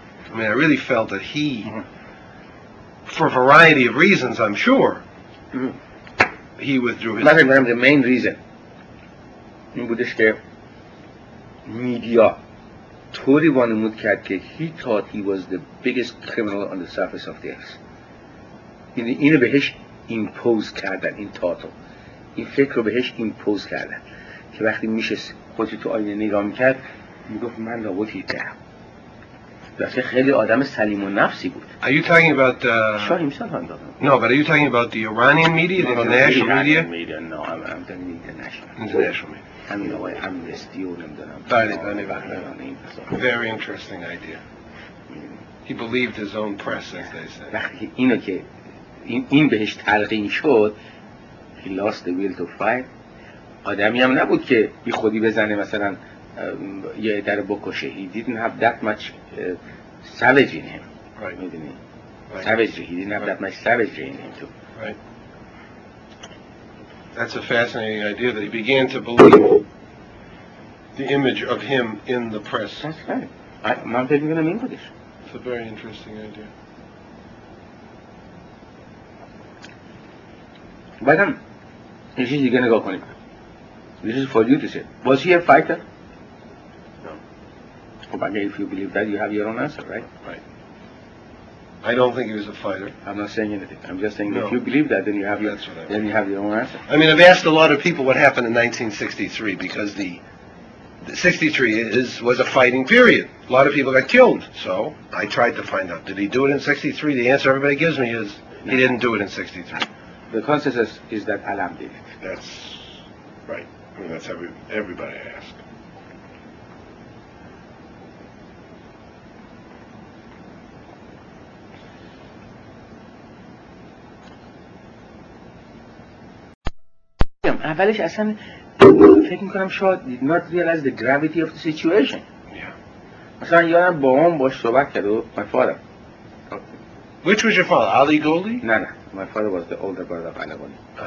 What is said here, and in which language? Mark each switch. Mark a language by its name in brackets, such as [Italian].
[English] I mean, I really felt that he, for a variety of reasons, I'm sure, he withdrew his support. Not even the main reason. [Persian] این بودش که میدیا طوری وانمود کرد که [English] he thought he was the biggest criminal on the surface of the earth. [Persian] اینو بهش impose کردن، این تاتو. این فکر رو بهش impose کردن. که وقتی میشست خودش تو آینه نگاه میکرد، میگفت من لابد هیتلرم. بسیار خیلی آدم سلیم و نفسی بود. [English] Are you talking about [Persian] شاه همسان هم دادم. [English] No, but are you talking about the Iranian media, the international media? Media, no, I'm talking international. International media. I'm the one. I'm the student. بله. Very interesting idea. He believed his own press, as they say. [Persian] وقتی اینو که این بهش تلقین شد، [English] he lost the will to fight. [Persian] آدمی هم نبود که بی خودی بزنه مثلا یه عده رو بکشه. [English] He didn't have that much savage in him. Right. [Persian] میدونی؟ Savage. [English] He didn't have that much savage in him too. Right. That's a fascinating idea that he began to believe the image of him in the press. That's right. [Persian] من فکر میکنم این بودش. [English] It's a very interesting idea. [Persian] بعدم یه چیز دیگه نگاه کنیم. [English] This is for you to say. Was he a fighter? No. But if you believe that, you have your own answer, right? Right. I don't think he was a fighter. I'm not saying anything. I'm just saying no. If you believe that, then you have That's your, what I mean. Then you have your own answer. I mean, I've asked a lot of people what happened in 1963 because the 63 was a fighting period. A lot of people got killed. So I tried to find out. Did he do it in 63? The answer everybody gives me is he didn't do it in 63. The consensus is that Alam did it. That's right. I mean, that's everybody I ask. [Persian] اولش اصلا فکر میکنم شاید [English] did not realize the gravity of the situation. Yeah. [Persian] مثلا یادم با هم باش صحبت کرد و [English] my father. Which was your father? Ali Goldie? No. My father was the older brother of Ali Goldie.